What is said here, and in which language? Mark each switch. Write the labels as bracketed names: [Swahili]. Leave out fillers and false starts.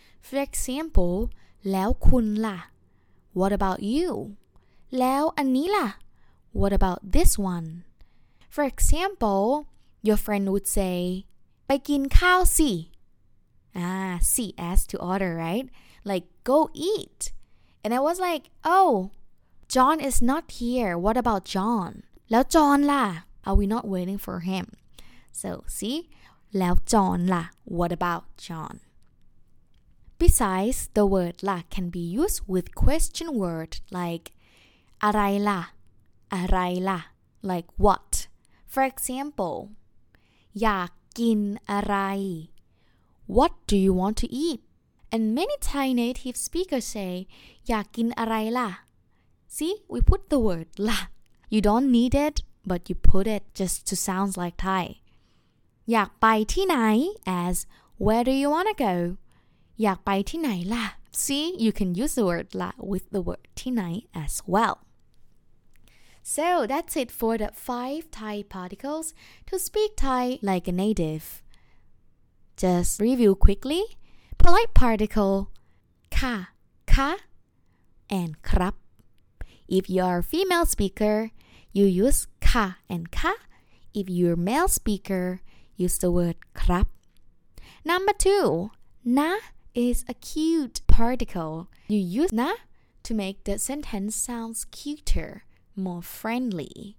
[English] For example, [Thai] แล้วคุณล่ะ [English] What about you? [Thai] แล้วอันนี้ล่ะ [English] What about this one? For example, your friend would say, [Thai] ไปกินข้าวสิ [English] si as to order, right? Like go eat. And I was like, oh, John is not here. What about John? [Thai] แล้วจอห์นล่ะ [English] Are we not waiting for him? So see. [Thai] แล้วจอนล่ะ [English] What about John? Besides, the word ล่ะ can be used with question word like [Thai] อะไรล่ะ อะไรล่ะ [English] Like what? For example, [Thai] อยากกินอะไร [English] What do you want to eat? And many Thai native speakers say [Thai] อยากกินอะไรล่ะ [English] See, we put the word ล่ะ You don't need it, but you put it just to sound like Thai [Thai] อยากไปที่ไหน [English] as where do you want to go? [Thai] อยากไปที่ไหนล่ะ [English] See, you can use the word ล่ะ with the word ที่ไหน as well. So that's it for the 5 Thai particles to speak Thai like a native. Just review quickly. Polite particle ค่ะ ค่ะ and ครับ. If you are a female speaker, you use ค่ะ and ค่ะ. If you're a male speakerUse the word ครับ. Number 2, na is a cute particle. You use na to make the sentence sounds cuter, more friendly.